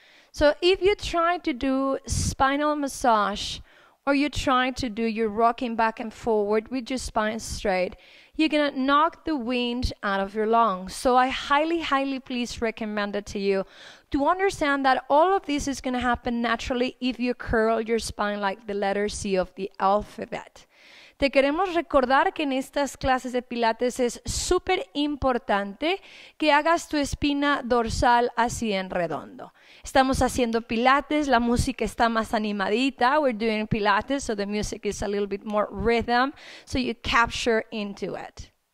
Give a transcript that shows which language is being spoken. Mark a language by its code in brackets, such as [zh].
[en] So if you try to do spinal massage or you try to do your rocking back and forward with your spine straight, you're gonna knock the wind out of your lungs. So I highly, highly please recommend it to you to understand that all of this is gonna happen naturally if you curl your spine like the letter C of the alphabet. [es] Te queremos recordar que en estas clases de Pilates es súper importante que hagas tu espina dorsal así en redondo. Estamos haciendo Pilates, la música está más animadita. [en] We're doing Pilates, so the music is a little bit more rhythm, so you capture into it.